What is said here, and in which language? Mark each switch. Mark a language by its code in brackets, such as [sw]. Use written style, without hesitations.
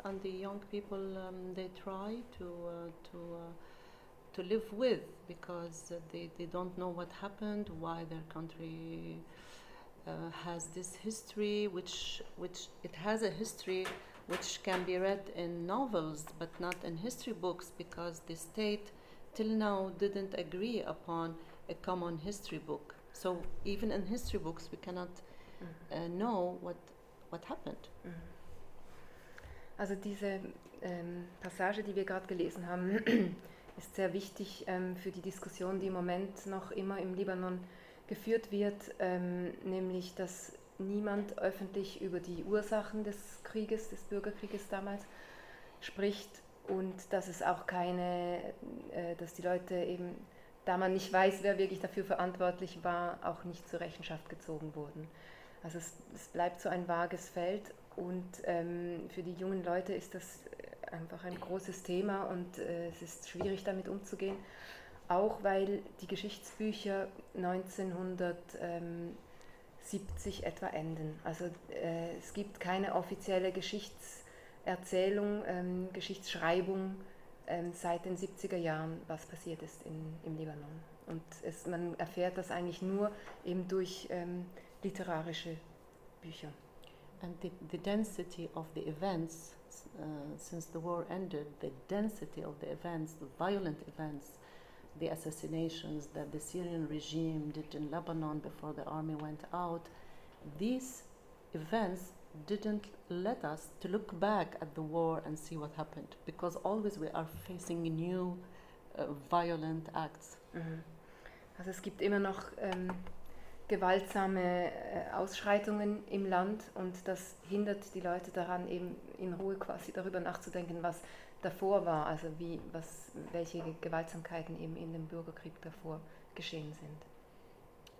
[en] And the young people, they try to live with, because they don't know what happened, why their country has this history, which it has a history which can be read in novels, but not in history books, because the state till now didn't agree upon a common history book. So even in history books, we cannot know what happened. [de] Also diese Passage, die wir gerade gelesen haben, ist sehr wichtig für die Diskussion, die im Moment noch immer im Libanon geführt wird, nämlich dass niemand öffentlich über die Ursachen des Krieges, des Bürgerkrieges damals spricht, und dass es auch keine, dass die Leute eben, da man nicht weiß, wer wirklich dafür verantwortlich war, auch nicht zur Rechenschaft gezogen wurden. Also es bleibt so ein vages Feld, und für die jungen Leute ist das einfach ein großes Thema, und es ist schwierig, damit umzugehen, auch weil die Geschichtsbücher 1970 etwa enden. Also es gibt keine offizielle Geschichtserzählung, Geschichtsschreibung seit den 70er Jahren, was passiert ist im Libanon. Und man erfährt das eigentlich nur eben durch literarische Bücher. [en] And the density of the events since the war ended, the density of the events, the violent events, the assassinations that the Syrian regime did in Lebanon before the army went out, these events didn't let us to look back at the war and see what happened, because always we are facing new violent acts. Mm-hmm. [de] Also es gibt immer noch gewaltsame Ausschreitungen im Land, und das hindert die Leute daran, eben in Ruhe quasi darüber nachzudenken, was davor war, also welche Gewaltsamkeiten eben in dem Bürgerkrieg davor geschehen sind.